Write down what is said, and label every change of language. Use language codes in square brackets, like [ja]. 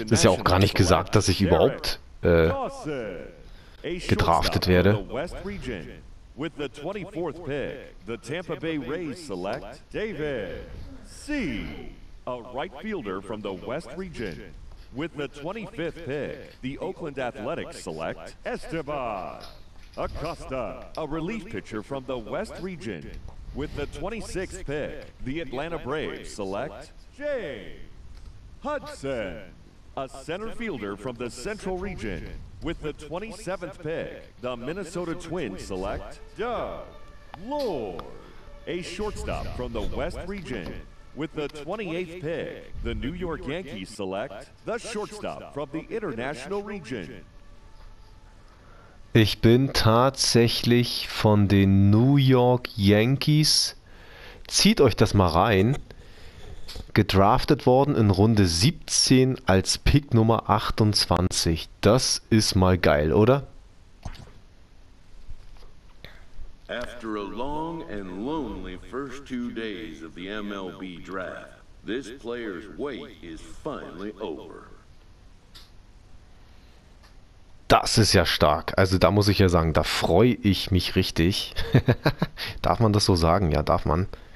[de] Nationals. Ist ja auch gar nicht gesagt, dass ich überhaupt gedraftet werde. [en] With the 24th pick, the Tampa Bay Rays select David C, a right fielder from the West Region. With the 25th pick, the Oakland Athletics select Esteban Acosta, a relief pitcher from the West Region. With the 26th pick, the Atlanta Braves select James Hudson, a center fielder from the Central Region. With the 27th pick, the Minnesota Twins select Doug Lord. A shortstop from the West Region. With the 28th pick, the New York Yankees select the shortstop from the International Region. [de] Ich bin tatsächlich von den New York Yankees. Zieht euch das mal rein. Gedraftet worden in Runde 17 als Pick Nummer 28. Das ist mal geil, oder? [en] After a long and lonely first two days of the MLB draft, this player's wait is finally over. [de] Das ist ja stark. Also da muss ich ja sagen, da freue ich mich richtig. Darf man das so sagen? Ja, darf man.